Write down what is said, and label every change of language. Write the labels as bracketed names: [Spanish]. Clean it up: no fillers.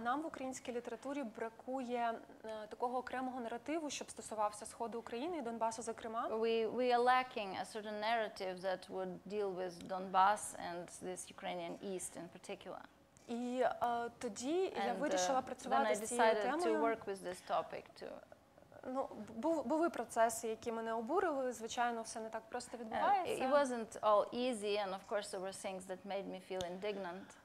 [Ukrainian] нам в українській літературі бракує такого окремого наративу, щоб стосувався сходу України і Донбасу зокрема. [English] We are lacking a certain narrative that would deal with Donbas and this Ukrainian East in particular. [Ukrainian] І тоді я вирішила працювати з цією темою. [English] To work with this topic to [Ukrainian] Ну, був і процес, який мене обурили, звичайно, все не так просто відбувається. [English] It wasn't all easy, and of course there were things that made me feel indignant.